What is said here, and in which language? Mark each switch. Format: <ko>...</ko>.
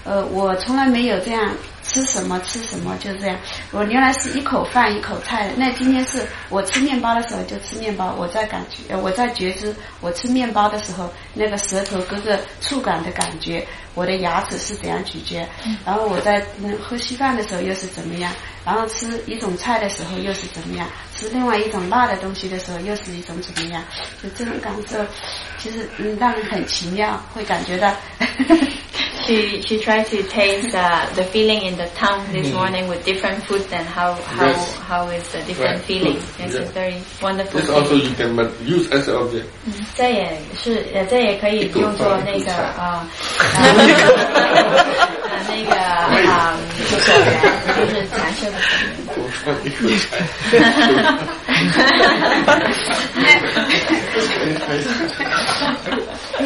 <zh>我从来没有这样吃什么就这样，我原来是一口饭一口菜，那今天是我吃面包的时候就吃面包，我在觉知我吃面包的时候那个舌头各个触感的感觉，我的牙齿是怎样咀嚼，然后我在喝稀饭的时候又是怎么样，然后吃一种菜的时候又是怎么样，吃另外一种辣的东西的时候又是一种怎么样，就这种感受其实让人很奇妙，会感觉到</zh> <en>She tried to taste the feeling in the tongue this morning with different food, and how is the different feeling? This is very wonderful. This also you can use as an object.</en> <zh>这也可以用作那个就是禅修的。</zh>